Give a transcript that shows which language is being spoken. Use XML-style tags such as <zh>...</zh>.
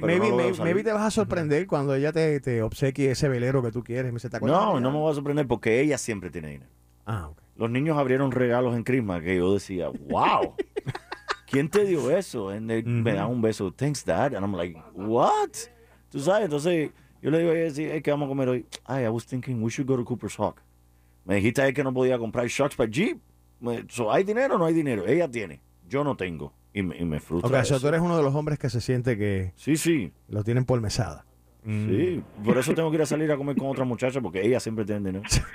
<en>maybe</en> <es>te vas a sorprender cuando ella te obsequie ese velero que tú quieres. Me dice, ¿te acuerdas? No me voy a sorprender porque ella siempre tiene dinero. Ah, okay. Los niños abrieron regalos en Christmas que yo decía, wow, ¿quién te dio eso?</es> <en>And they, mm-hmm.</en> <es>Me dan un beso,</es> <en>thanks, dad. And I'm like, what?</en> <es>Tú sabes, entonces yo le digo a ella, hey, ¿qué vamos a comer hoy?</es> <en>Ay, I was thinking we should go to Cooper's Hawk.</en> <es>Me dijiste ahí que no podía comprar shocks para Jeep. So, ¿hay dinero o no hay dinero? Ella tiene, yo no tengo. Y me frustra. Okay, eso. O sea, tú eres uno de los hombres que se siente que... Sí, sí. Lo tienen por mesada. Sí. Por eso tengo que ir a salir a comer con otra muchacha, porque ella siempre tiene dinero.</es>